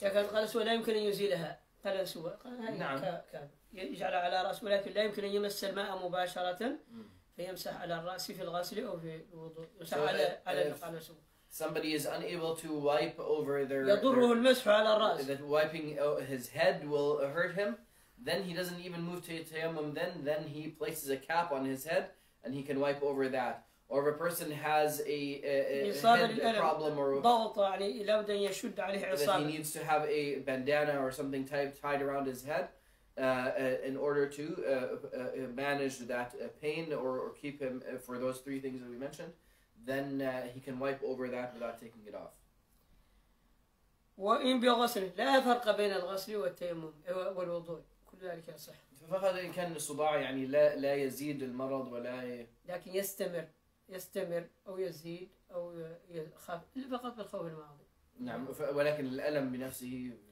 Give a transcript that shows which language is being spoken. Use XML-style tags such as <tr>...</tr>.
<ar>قلنسوة لا يمكن أن يزيلها قلنسوة نعم يجعل على رأس ولكن لا يمكن أن يمس الماء مباشرة فيمسح على الرأس في الغسل أو في الوضوء يمسح على القلنسوة.</ar> <en>Somebody is unable to wipe over their</en> <ar>يضره المسح على الرأس.</ar> <en>That wiping his head will hurt him. Then he doesn't even move to tayammum. Then he places a cap on his head and he can wipe over that. Or if a person has a problem or</en> <ar>ضغط يعني لابد أن يشد عليه عصابة.</ar> <en>That he needs to have a bandana or something tied around his head in order to manage that pain or keep him for those three things that we mentioned. Then he can wipe over that without taking it off.</en> <ar>وإن بغسل لا فرق بين الغسل والتيمم والوضوء كل ذلك صح. فقط إن كان الصداع يعني لا يزيد المرض ولا لكن يستمر أو يزيد أو يخاف فقط بالخوف الماضي. نعم ولكن الألم بنفسه</ar>